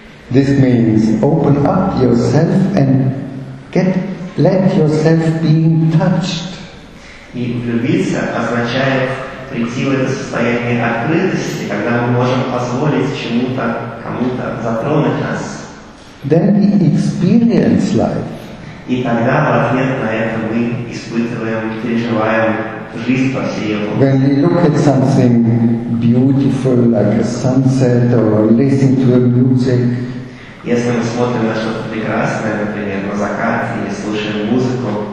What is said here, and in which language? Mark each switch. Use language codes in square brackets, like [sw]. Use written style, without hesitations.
[en] This means open up yourself and let yourself be touched. [ru] И влюбиться означает прийти в это состояние открытости, когда мы можем позволить чему-то, кому-то затронуть нас. [en] Then we experience life. [ru] И тогда в ответ на это мы испытываем, переживаем. [en] When we look at something beautiful, like a sunset, or listen to a music, [ru] если мы смотрим на что-то прекрасное, например, на закат или слушаем музыку,